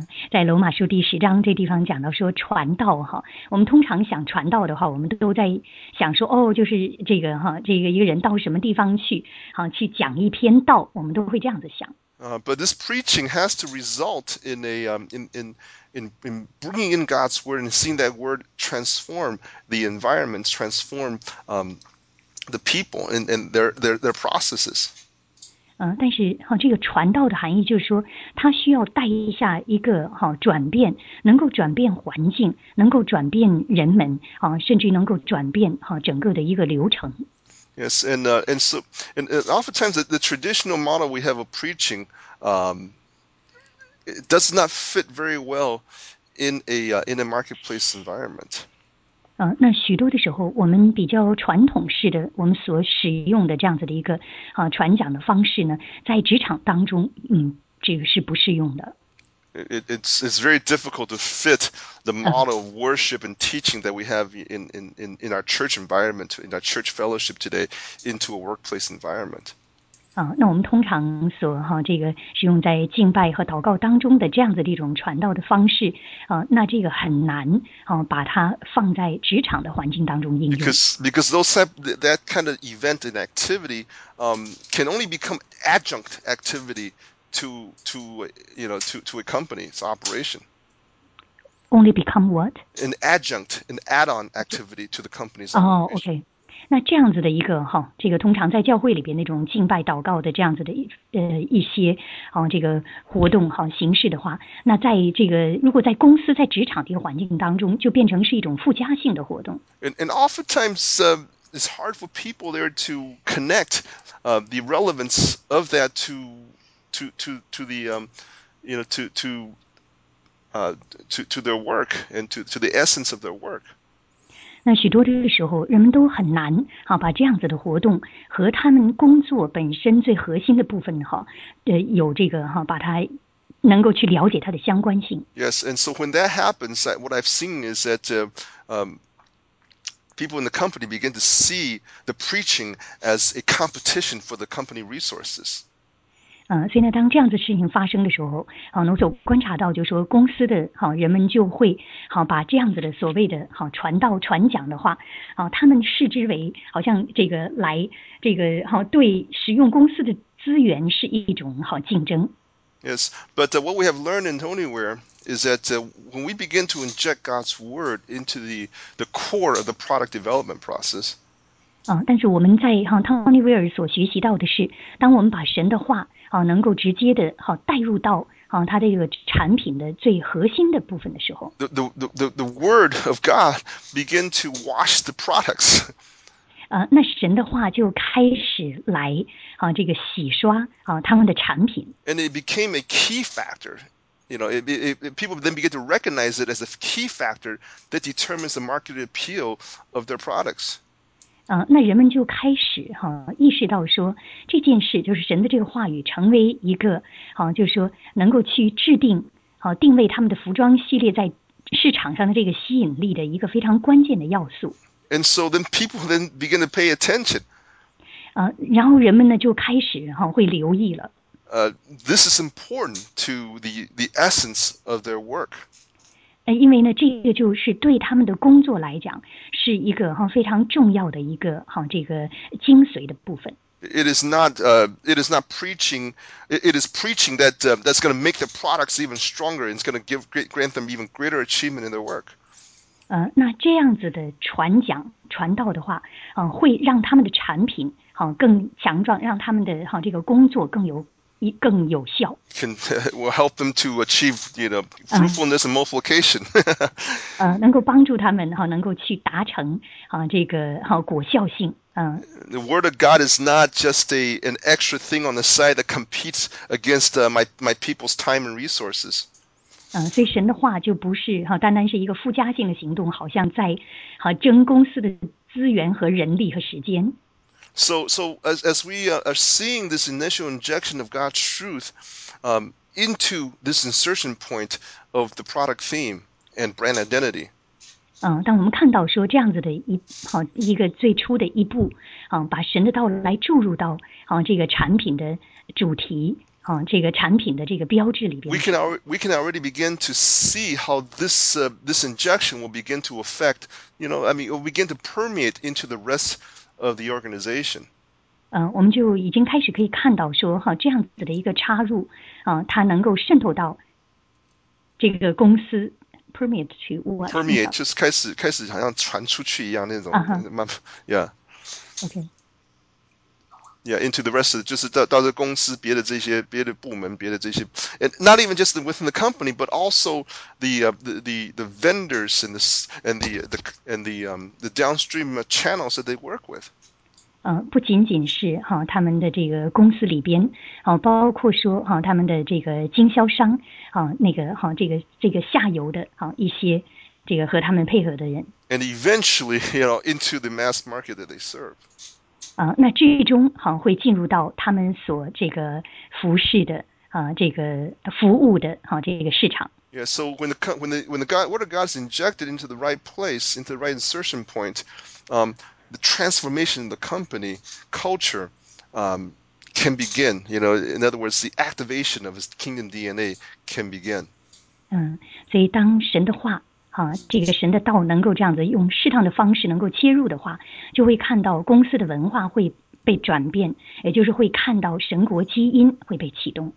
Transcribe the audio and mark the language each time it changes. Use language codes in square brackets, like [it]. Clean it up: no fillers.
[zh] 在罗马书第十章这地方讲到说传道哈，我们通常想传道的话，我们都在想说哦，就是这个哈，这个一个人到什么地方去，哈，去讲一篇道，我们都会这样子想。 [en] But this preaching has to result in a in bringing in God's word and seeing that word transform the environment, transform the people and their processes. [zh] 但是哈，这个传道的含义就是说，它需要带一下一个哈转变，能够转变环境，能够转变人们啊，甚至能够转变哈整个的一个流程。 [en] Yes, and oftentimes the traditional model we have of preaching, it does not fit very well in a marketplace environment. [zh] 那许多的时候，我们比较传统式的，我们所使用的这样子的一个传讲的方式呢，在职场当中，这个是不适用的。 [en] It's very difficult to fit the model of worship and teaching that we have in our church environment, in our church fellowship today, into a workplace environment. [zh] 那我们通常所这个使用在敬拜和祷告当中的这样子的一种传道的方式那这个很难把它放在职场的环境当中应用。 [en] Because that kind of event and activity can only become adjunct activity. To a company's operation. Only become what? An adjunct, an add-on activity to the company's operation. Oh, okay. [zh] 那这样子的一个哈，这个通常在教会里边那种敬拜祷告的这样子的一些这个活动哈形式的话，那在这个如果在公司在职场的一个环境当中，就变成是一种附加性的活动。 [en] And oftentimes, it's hard for people there to connect, the relevance of that to their work and to the essence of their work. [zh] 那许多的时候，人们都很难哈把这样子的活动和他们工作本身最核心的部分哈有这个哈把它能够去了解它的相关性。 [en] Yes, and so when that happens, what I've seen is that people in the company begin to see the preaching as a competition for the company resources. [zh] 所以呢，当这样子事情发生的时候，我所观察到就是说，公司的人们就会把这样子的所谓的传道传讲的话，他们视之为好像这个来这个对使用公司的资源是一种竞争。 [en] Yes, but what we have learned in Tonyware is that when we begin to inject God's word into the core of the product development process. [zh] 但是我们在Tony Weir 所学习到的是，当我们把神的话能够直接的带入到他的这个产品的最核心的部分的时候。 [en] The word of God begin to wash the products. [zh] 那神的话就开始来这个洗刷他们的产品。 [en] And it became a key factor. You know, people then begin to recognize it as a key factor that determines the market appeal of their products. [zh] 那人们就开始意识到说这件事就是神的这个话语成为一个就是说能够去制定定位他们的服装系列在市场上的这个吸引力的一个非常关键的要素。 [en] And so then people then begin to pay attention. [zh] 然后人们呢就开始会留意了。 [en] This is important to the essence of their work. [zh] 因为呢，这个就是对他们的工作来讲，是一个非常重要的一个这个精髓的部分。 [en] It is not preaching. It is preaching that that's going to make the products even stronger and it's going to grant them even greater achievement in their work. [zh] 那这样子的传讲传道的话，会让他们的产品更强壮，让他们的这个工作更有效。 [en] Can will help them to achieve, you know, fruitfulness and multiplication. [zh] 能够帮助他们能够去达成这个果效性。 [en] The word of God is not just an extra thing on the side that competes against my people's time and resources. [zh] 所以神的话就不是单单是一个附加性的行动，好像在争公司的资源和人力和时间。 [en] So as we are seeing this initial injection of God's truth into this insertion point of the product theme and brand identity. [zh] 当我们看到说这样子的一个最初的一步，把神的道来注入到这个产品的主题，这个产品的这个标志里边。 [en] We can already begin to see how this injection will begin to affect, you know, I mean, it will begin to permeate into the rest of the organization. [zh] 我们就已经开始可以看到说这样子的一个插入，它能够渗透到这个公司。 [en] Permeate [zh] 就是开始好像传出去一样那种、 uh-huh. [en] Yeah. Okay. Yeah, into the rest of [zh] 就是到这公司别的这些 [en] 别的部门别的这些 and not even just within the company but also the vendors and the downstream channels that they work with. [zh] 不仅仅是他们的这个公司里边，包括说他们的这个经销商，那个这个下游的一些这个和他们配合的人。 [en] And eventually, you know, into the mass market that they serve. [zh] 那最终会进入到他们所这个服饰的这个服务的这个市场。 [en] Yeah, so when the God, word of God is injected into the right place, into the right insertion point, the transformation of the company culture can begin. You know, in other words, the activation of his kingdom DNA can begin. [zh] 所以当神的话这个神的道能够这样子用适当的方式能够切入的话，就会看到公司的文化会被转变，也就是会看到神国基因会被启动。